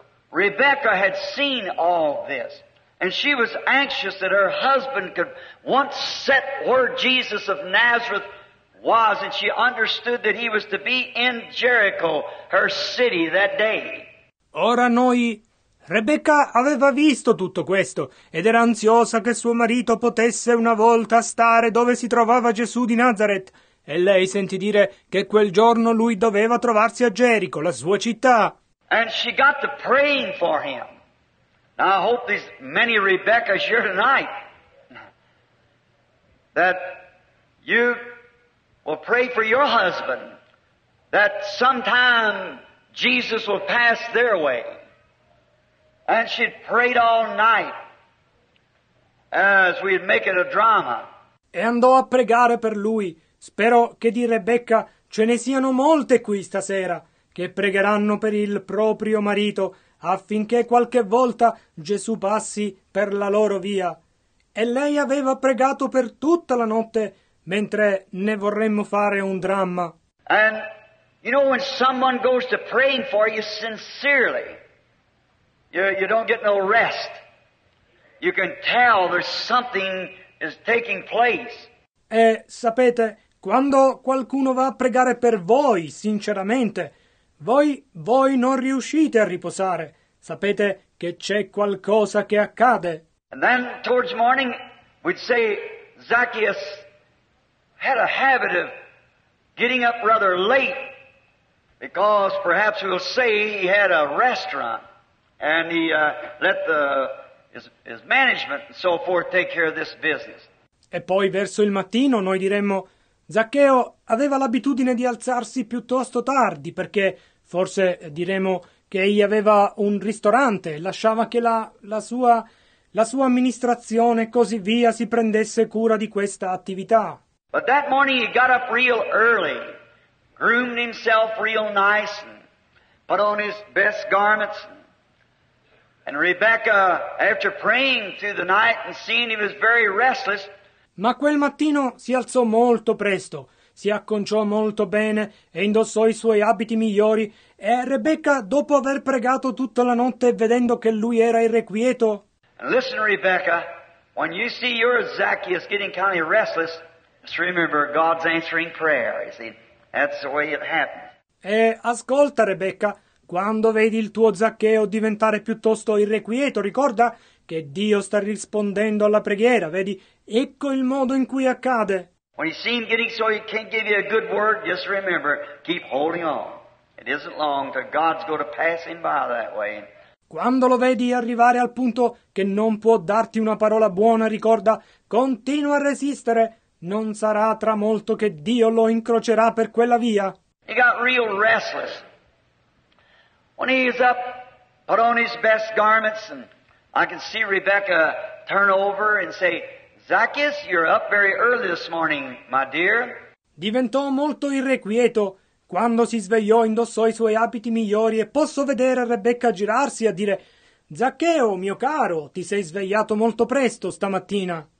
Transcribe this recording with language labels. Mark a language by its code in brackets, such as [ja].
[en] Rebecca had seen all this, and she was anxious that her husband could once set where Jesus of Nazareth was, and she understood that he was to be in Jericho, her city, that day. [it] Ora noi, Rebecca aveva visto tutto questo, ed era ansiosa che suo marito potesse una volta stare dove si trovava Gesù di Nazareth, e lei sentì dire che quel giorno lui doveva trovarsi a Gerico, la sua città. [en] And she got to praying for him. Now I hope these many Rebeccas here tonight that you will pray for your husband that sometime Jesus will pass their way. And she'd prayed all night as we'd make it a drama. [it] E andò a pregare per lui. Spero che di Rebecca ce ne siano molte qui stasera che pregheranno per il proprio marito affinché qualche volta Gesù passi per la loro via. E lei aveva pregato per tutta la notte mentre ne vorremmo fare un dramma. [en] And you know when someone goes to praying for you sincerely, you don't get no rest. You can tell there's something is taking place. [it] E sapete, quando qualcuno va a pregare per voi sinceramente, voi non riuscite a riposare. Sapete che c'è qualcosa che accade. [en] And then towards morning we'd say Zacchaeus had a habit of getting up rather late because perhaps we'll say he had a restaurant and he let his management and so forth take care of this business. [it] E poi verso il mattino noi diremmo Zaccheo aveva l'abitudine di alzarsi piuttosto tardi perché forse diremo che egli aveva un ristorante, lasciava che la sua amministrazione e così via si prendesse cura di questa attività. [en] But that morning he got up real early, groomed himself real nice, and put on his best garments. And Rebecca, after praying through the night and seeing he was very restless. [it] Ma quel mattino si alzò molto presto, si acconciò molto bene e indossò i suoi abiti migliori. E Rebecca, dopo aver pregato tutta la notte vedendo che lui era irrequieto. [en] And listen, Rebecca, when you see your Zacchaeus getting kind of restless, just remember God's answering prayer. You see, that's the way it happens. [it] E ascolta, Rebecca, quando vedi il tuo Zaccheo diventare piuttosto irrequieto, ricorda che Dio sta rispondendo alla preghiera, vedi? Ecco il modo in cui accade. [en] When you see him getting so he can't give you a good word, just remember, keep holding on. It isn't long till God's going to pass him by that way. [it] Quando lo vedi arrivare al punto che non può darti una parola buona, ricorda, continua a resistere. Non sarà tra molto che Dio lo incrocerà per quella via. [en] He got real restless. When he is up, put on his best garments, and I can see Rebecca turn over and say, Zacchaeus, you're up very early this morning, my dear. [it] Diventò molto irrequieto. Quando si svegliò, indossò i suoi abiti migliori e posso vedere Rebecca girarsi a dire, Zaccheo, mio caro, ti sei svegliato molto presto stamattina.